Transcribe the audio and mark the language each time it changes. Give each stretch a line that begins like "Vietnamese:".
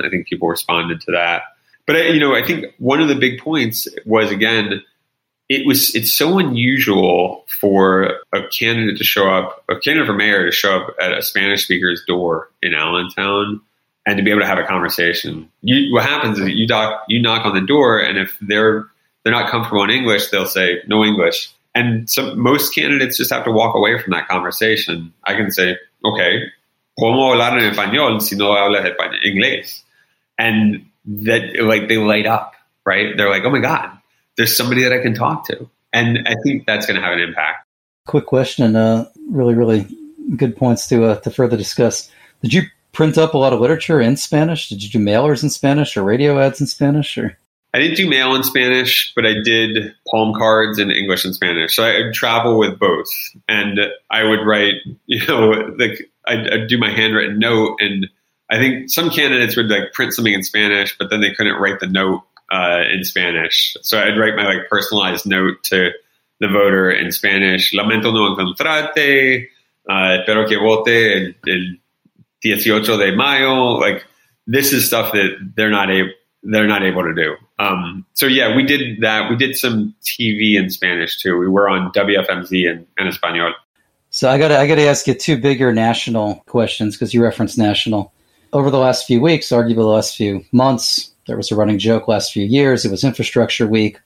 English: I think people responded to that. But, you know, I think one of the big points was, again, it's so unusual for a candidate for mayor to show up at a Spanish speaker's door in Allentown and to be able to have a conversation. What happens is you knock on the door, and if they're not comfortable in English, they'll say no English. And so most candidates just have to walk away from that conversation. I can say, okay,
Spanish: ¿cómo hablar en español si no hablas inglés?
English: And that, like, they light up, right? They're like, oh my God, there's somebody that I can talk to. And I think that's going to have an impact. Quick question, really, really good points to further discuss. Did you print up a lot of literature in Spanish? Did you do mailers in Spanish or radio ads in Spanish? Or I didn't do mail in Spanish, but I did palm cards in English and Spanish. So I travel with both. And I would write, you know, like, I'd do my handwritten note, and I think some candidates would like print something in Spanish, but then they couldn't write the note in Spanish. So I'd write my like personalized note to the voter in Spanish.
Spanish: Lamento no encontrarte, espero que vote el 18 de mayo.
English: Like, this is stuff that they're not able to do. So yeah, we did that. We did some TV in Spanish too. We were on WFMZ in Espanol. So I gotta ask you two bigger national questions, because you referenced national. Over the last few weeks, arguably the last few months, there was a running joke last few years, it was infrastructure week.